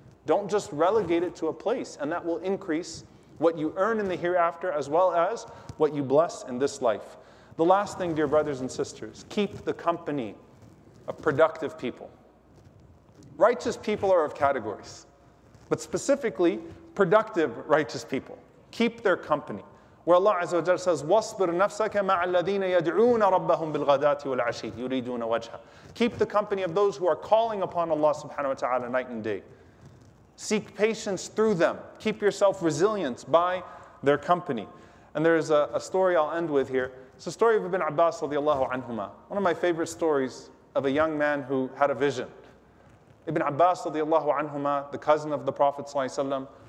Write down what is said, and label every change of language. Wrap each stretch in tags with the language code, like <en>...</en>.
<en>Don't just relegate it to a place, and that will increase what you earn in the hereafter as well as what you bless in this life. The last thing, dear brothers and sisters, keep the company of productive people. Righteous people are of categories, but specifically productive righteous people. Keep their company. Where Allah Azza wa Jalla says,</en> <ar>وَاصْبِرْ نَفْسَكَ مَعَ الَّذِينَ يَدْعُونَ رَبَّهُمْ بِالْغَدَاتِ وَالْعَشِيِّ يُرِيدُونَ وَجْهًا.</ar> <en>Keep the company of those who are calling upon Allah subhanahu wa ta'ala night and day. Seek patience through them. Keep yourself resilient by their company. And there is a story I'll end with here. It's the story of Ibn Abbas radiallahu anhuma. One of my favorite stories of a young man who had a vision. Ibn Abbas radiallahu anhuma, the cousin of the Prophet sallallahu alayhi wa sallam,</en>